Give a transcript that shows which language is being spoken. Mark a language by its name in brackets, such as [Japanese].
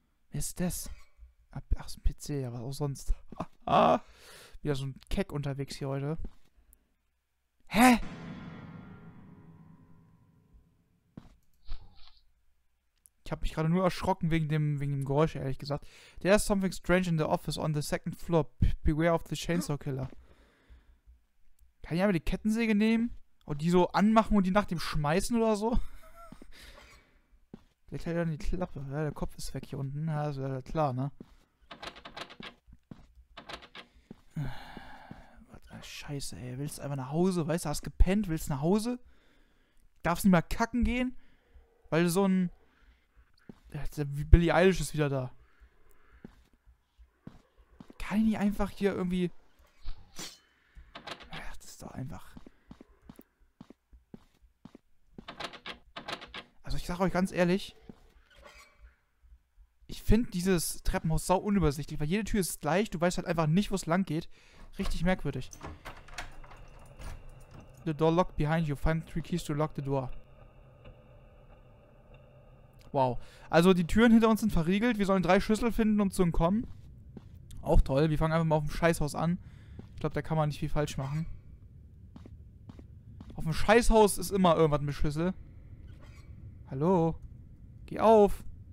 [German] Wer ist das? Ach, ist ein PC, ja, was auch sonst. Wieder so ein Keck unterwegs hier heute. Hä? Ich habe mich gerade nur erschrocken wegen dem Geräusch, ehrlich gesagt. [English] There is something strange in the office on the second floor. Beware of the Chainsaw Killer. [German] Kann ich einmal die Kettensäge nehmen? Und die so anmachen und die nach dem schmeißen oder so? Vielleicht hat er dann die Klappe. Ja, der Kopf ist weg hier unten. Ja, das wäre klar, ne? Scheiße, ey. Willst du einfach nach Hause? Weißt du, hast gepennt? Willst du nach Hause? Darfst nicht mal kacken gehen? Weil so ein... Billie Eilish ist wieder da. Kann ich nicht einfach hier irgendwie... Ach, das ist doch einfach... Also ich sag euch ganz ehrlich, ich finde dieses Treppenhaus sau unübersichtlich, weil jede Tür ist gleich, du weißt halt einfach nicht, wo es lang geht. Richtig merkwürdig. [English] The door locked behind you. Find three keys to lock the door. Wow. [German] Also die Türen hinter uns sind verriegelt. Wir sollen drei Schlüssel finden, um zu entkommen. Auch toll. Wir fangen einfach mal auf dem Scheißhaus an. Ich glaube, da kann man nicht viel falsch machen. Auf dem Scheißhaus ist immer irgendwas mit Schlüssel. Hallo? Geh auf!